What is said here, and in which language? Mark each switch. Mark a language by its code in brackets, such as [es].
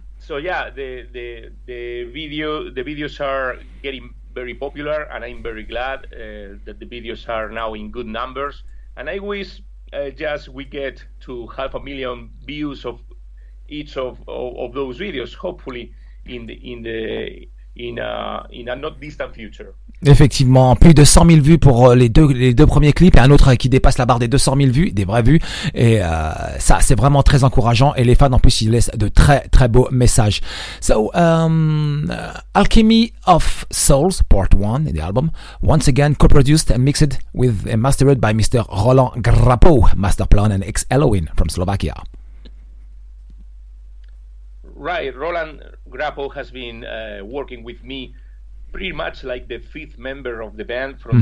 [en] So yeah, the videos are getting very popular, and I'm very glad that the videos are now in good numbers. And I wish just we get to 500,000 views of each of those videos, hopefully in a not distant future. [fr] Effectivement, plus de 100 000 vues pour les deux premiers clips et un autre qui dépasse la barre des 200 000 vues, des vraies vues. Et ça, c'est vraiment très encourageant. Et les fans, en plus, ils laissent de très, très beaux messages. [en] So, Alchemy of Souls, part 1, the album, once again co-produced and mixed with and mastered by Mr. Roland Grappo, Masterplan and ex-Halloween from Slovakia. Right, Roland Grappo has been working with me pretty much like the fifth member of the band from mm-hmm.